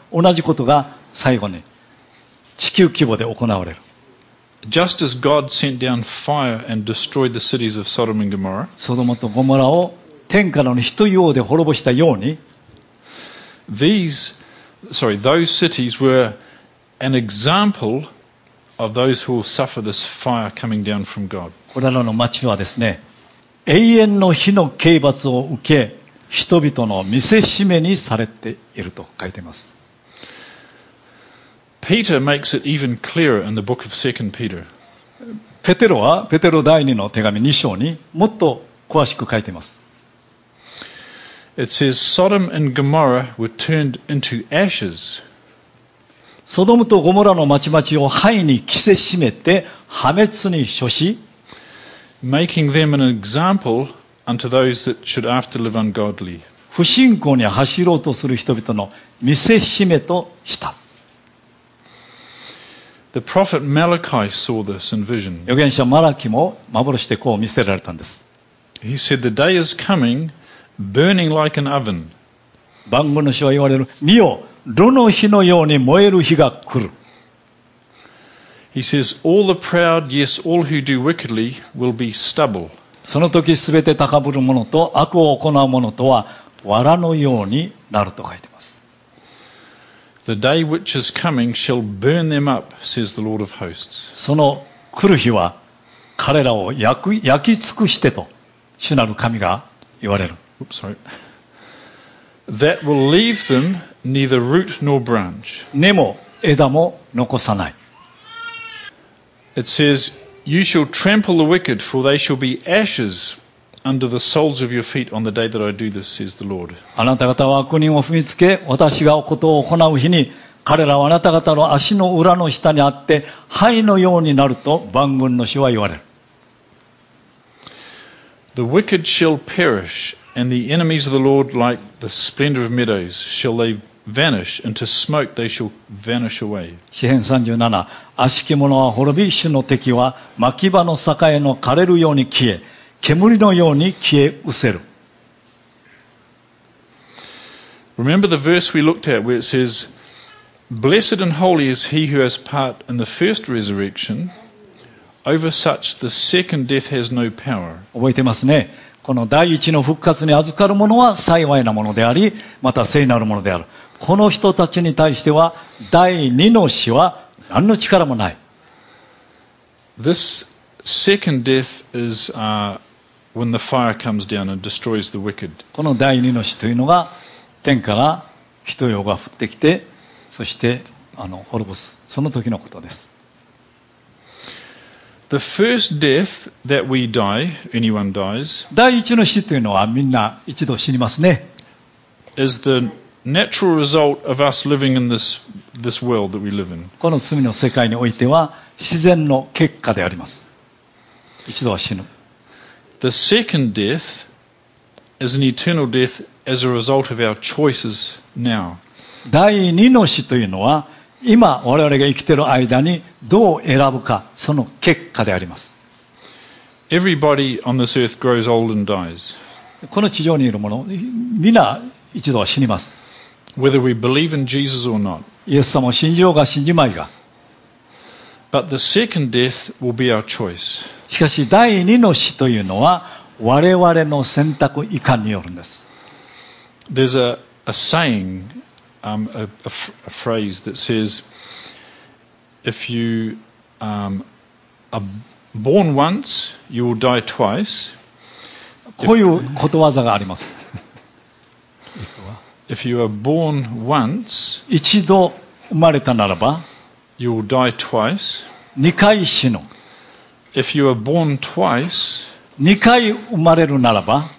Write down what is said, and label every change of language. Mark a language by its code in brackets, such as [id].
[ja] 同じことが最後に地球規模で行われる。 [en] Just as God sent down fire and destroyed the cities of Sodom and Gomorrah, [ja] ソドムとゴモラを天からの火と硫黄で滅ぼしたように、 [en] those cities were an example of those who will suffer this fire coming down from God. [ja] これらの町はですね、永遠の火の刑罰を受け、人々の見せしめにされていると書いています。 [en] Peter makes it even clearer in the book of 2 Peter. [ja] ペテロはペテロ第二の手紙2章にもっと詳しく書いています。 [en] It says Sodom and Gomorrah were turned into ashes. [ja] ソドムとゴモラの町々を灰に着せしめて破滅に処し、 [en] Making them an example unto those that should after live ungodly. [ja] 不信仰に走ろうとする人々の見せしめとした。 [en] The prophet Malachi saw this in vision. [ja] 預言者マラキも幻でこう見せられたんです。 [en] He said, "The day is coming, burning like an oven." [ja] 万軍の主は言われる、見よ、炉の火のように燃える日が来る。 [en] He says, all the proud, yes, all who do wickedly will be stubble. [ja] その時すべて高ぶる者と悪を行う者とは藁のようになると書いてます。 [en] The day which is coming shall burn them up, says the Lord of hosts. [ja] その来る日は彼らを焼き尽くしてと主なる神が言われる。 [en] Oops, sorry. That will leave them neither root nor branch. [ja] 根も枝も残さない。 [en] It says, "You shall trample the wicked, for they shall be ashes under the soles of your feet on the day that I do this," says the Lord. [ja] あなた方は悪人を踏みつけ、私がことを行う日に、彼らはあなた方の足の裏の下にあって灰のようになると万軍の主は言われる。 [en] The wicked shall perish, and the enemies of the Lord, like the splendor of meadows, shall they. Vanish into smoke, they shall vanish away. [ja] 詩編37、悪しき者は滅び、主の敵は牧場の栄の枯れるように消え、煙のように消え失せる。 [en] Remember the verse we looked at where it says, "Blessed and holy is he who has part in the first resurrection. Over such the second death has no power." [ja] 覚えてますね。この第一の復活に預かる者は幸いなものであり、また聖なるものである。この人たちに対しては第二の死は何の力もない。 [en] This second death is when the fire comes down and destroys the wicked. [ja] この第二の火というのが天から火と硫が降ってきて、そして滅ぼす、その時のことです。 [en] The first death that we die, anyone dies. [ja] 第一の死というのはみんな一度死にますね。 [en] Is the natural result of us living in this world that we live in. [ja] この罪の世界においては自然の結果であります。一度は死ぬ。 [en] The second death is an eternal death as a result of our choices now. [ja] 第二の死というのは今我々が生きている間にどう選ぶか、その結果であります。 [en] Everybody on this earth grows old and dies. [ja] この地上にいる者、みんな一度は死にます。 [en] Whether we believe in Jesus or not. [ja] イエス様を信じようが信じまいが。 [en] But the second death will be our choice. [ja] しかし第二の死というのは我々の選択以下によるんです。 [en] There's a saying. A phrase that says, if you are born once, you will die twice. [ja] こういうことわざがあります。 [en] If you are born once, [ja] 一度生まれたならば、 [en] you will die twice. [ja] 二回死ぬ。 [en] If you are born twice, [ja] 二回生まれるならば、